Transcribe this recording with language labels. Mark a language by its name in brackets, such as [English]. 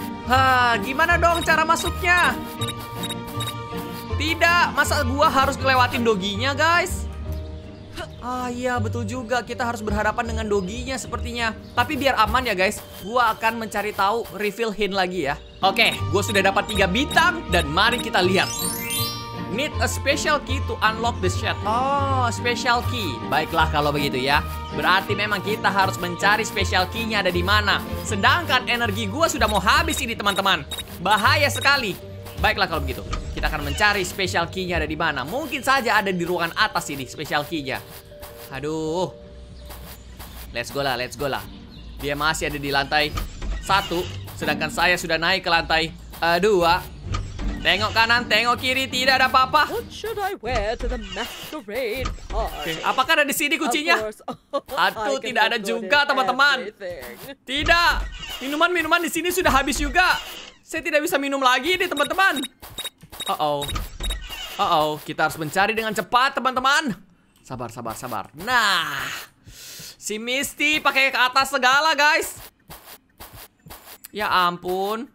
[Indonesian] Ha, gimana dong cara masuknya? Tidak, masa gua harus ngelewatin doginya, guys? Ah iya, betul juga. Kita harus berhadapan dengan doginya sepertinya. Tapi biar aman ya, guys, gua akan mencari tahu reveal hint lagi ya. Oke, gua sudah dapat 3 bintang dan mari kita lihat. [English] Need a special key to unlock the shed. [Indonesian] Oh, special key. Baiklah kalau begitu ya. Berarti memang kita harus mencari special key-nya ada di mana. Sedangkan energi gua sudah mau habis ini, teman-teman. Bahaya sekali. Baiklah kalau begitu. Kita akan mencari special key-nya ada di mana. Mungkin saja ada di ruangan atas ini special key-nya. Aduh. [English] Let's go lah, let's go lah. [Indonesian] Dia masih ada di lantai 1, sedangkan saya sudah naik ke lantai 2. Tengok kanan, tengok kiri, tidak ada apa-apa. [English] What should I wear to the masquerade party? Okay. [Indonesian] Apakah ada di sini kuncinya? Aduh, tidak ada juga, teman-teman. Tidak. Minuman-minuman di sini sudah habis juga. Saya tidak bisa minum lagi nih, teman-teman. Uh-oh. Kita harus mencari dengan cepat, teman-teman. Sabar, sabar, sabar. Nah, si Misty pakai ke atas segala, guys. Ya ampun.